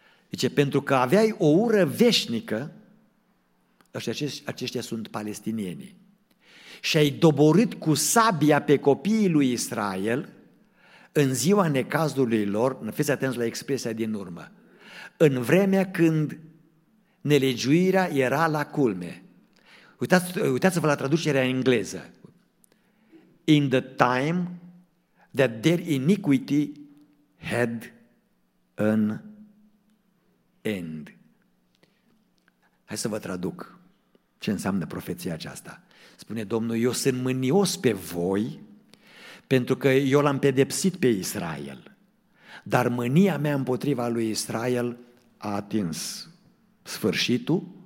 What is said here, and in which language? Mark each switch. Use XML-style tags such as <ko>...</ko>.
<ro>Zice, pentru că aveai o ură veșnică, aceștia sunt palestinienii, și ai doborât cu sabia pe copiii lui Israel în ziua necazului lor, fiți atenți la expresia din urmă, în vremea când nelegiuirea era la culme. Uitați-vă la traducerea în engleză.</ro> <en>In the time that their iniquity had an end.</en> <ro>Hai să vă traduc ce înseamnă profeția aceasta. Spune Domnul, eu sunt mânios pe voi pentru că eu l-am pedepsit pe Israel. Dar mânia mea împotriva lui Israel a atins sfârșitul.</ro>